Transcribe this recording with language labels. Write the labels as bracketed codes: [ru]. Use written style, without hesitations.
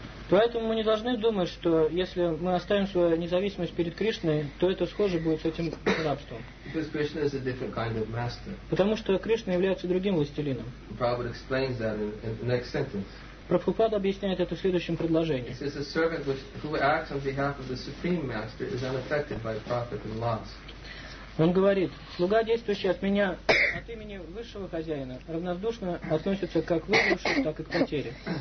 [ru] Поэтому мы не должны думать, что если мы оставим свою независимость перед Кришной, то это схоже будет с этим рабством. [en] Because Krishna is a different kind of master. [ru] Потому что Кришна является другим властелином. [en] Prabhupada explains that in the next sentence. [ru] Прабхупада объясняет это в следующем предложении. [en] He says, a servant who acts on behalf of the Supreme Master is unaffected by profit and loss. [ru] Он говорит, слуга, действующий от меня, от имени высшего хозяина, равнодушно относится как к выигрышу, так и к потере.